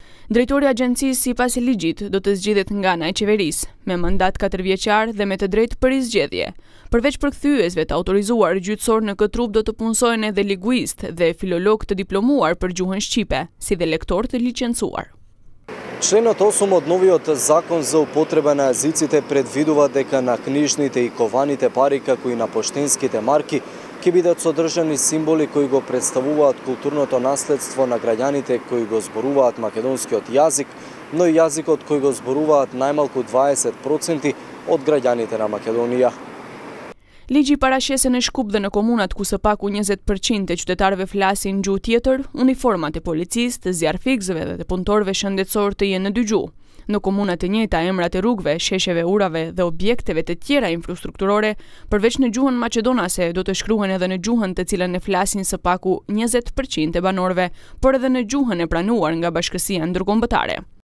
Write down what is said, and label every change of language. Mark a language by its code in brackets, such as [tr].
[sq] Drejtori i agjencisë sipas ligjit do të zgjidhet nga ana e qeverisë me mandat 4-vjeçar dhe me të drejtë për zgjedhje. Përveç përkthyesve të autorizuar gjyqësor në këtë trup do të punsojnë edhe liguist dhe filolog të diplomuar për gjuhën shqipe, si dhe lektor të licencuar. [mk] Членот 8 од новиот закон за употреба на јазиците предвидува дека на книжните и кованите пари, како и на поштенските марки, ќе бидат содржани символи кои го представуваат културното наследство на граѓаните кои го зборуваат македонскиот јазик, но и јазикот кој го зборуваат најмалку 20% од граѓаните на Македонија. [sq] Ligji parashese në Shkup dhe në komunat ku së paku 20% e qytetarëve flasin gjuhë tjetër, uniformat e policisë, të zjarfikësve dhe të punëtorëve shëndetësor të jenë në dy gjuhë. Në komunat e njëjta, emrat e rrugëve, sheshjeve urave dhe objekteve të tjera infrastrukturore, përveç në gjuhën maqedonase, do të shkruhen edhe në gjuhën të cilën e flasin së paku 20% e banorëve, por edhe në gjuhën e pranuar nga Bashkësia Ndërkombëtare.